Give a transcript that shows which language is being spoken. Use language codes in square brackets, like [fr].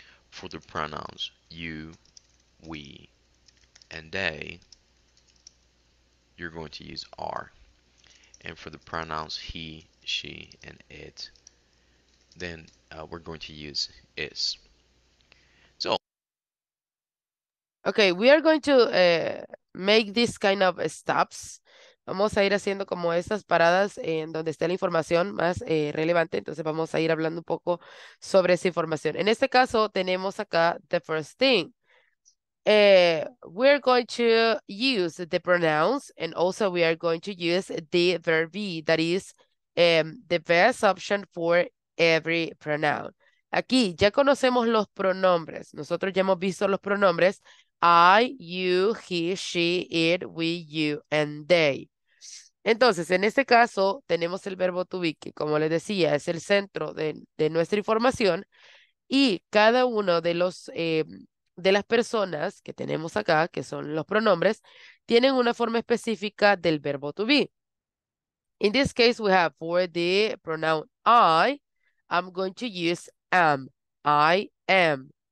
[en] For the pronouns you, we, and they, you're going to use R. And for the pronouns he, she, and it, then we're going to use is. So, okay, we are going to make this kind of stops. [es] Vamos a ir haciendo como estas paradas en donde esté la información más relevante. Entonces vamos a ir hablando un poco sobre esa información. En este caso tenemos acá [en] the first thing. We're going to use the pronouns and also we are going to use the verb be, that is the best option for every pronoun. [es] Aquí ya conocemos los pronombres. Nosotros ya hemos visto los pronombres. [en] I, you, he, she, it, we, you, and they. [es] Entonces, en este caso, tenemos el verbo to be, que como les decía, es el centro de nuestra información. Y cada uno de los de las personas que tenemos acá, que son los pronombres, tienen una forma específica del verbo to be. [en] In this case, we have for the pronoun I, I'm going to use am, I am.